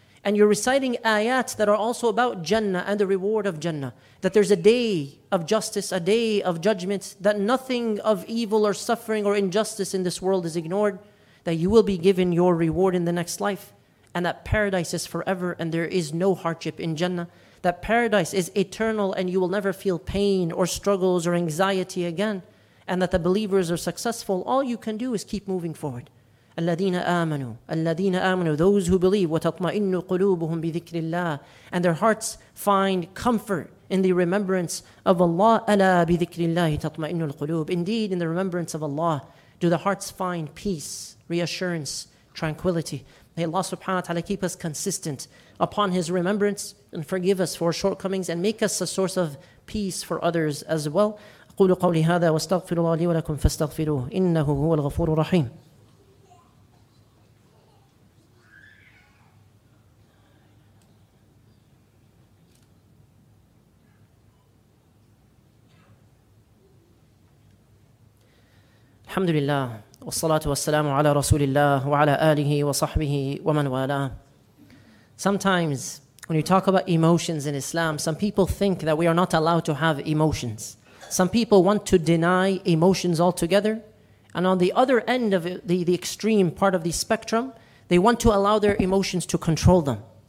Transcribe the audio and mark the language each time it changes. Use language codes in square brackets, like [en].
[en] and you're reciting ayat that are also about Jannah and the reward of Jannah, that there's a day of justice, a day of judgment, that nothing of evil or suffering or injustice in this world is ignored, that you will be given your reward in the next life, and that paradise is forever and there is no hardship in Jannah, that paradise is eternal and you will never feel pain or struggles or anxiety again, and that the believers are successful, all you can do is keep moving forward. [ar] الذين آمنوا, [en] those who believe, [ar] وتطمئن قلوبهم بذكر الله, [en] and their hearts find comfort in the remembrance of Allah. [ar] ألا بذكر الله تطمئن القلوب. [en] Indeed, in the remembrance of Allah, do the hearts find peace, reassurance, tranquility. May Allah subhanahu wa ta'ala keep us consistent upon His remembrance and forgive us for shortcomings and make us a source of peace for others as well. [ar] أقول قولي هذا واستغفر الله لي ولكم فاستغفروه إنه هو الغفور الرحيم. الحمد لله والصلاة والسلام على رسول الله وعلى آله وصحبه ومن والاه. [en] Sometimes when you talk about emotions in Islam, some people think that we are not allowed to have emotions. Some people want to deny emotions altogether. And on the other end of the extreme part of the spectrum, they want to allow their emotions to control them.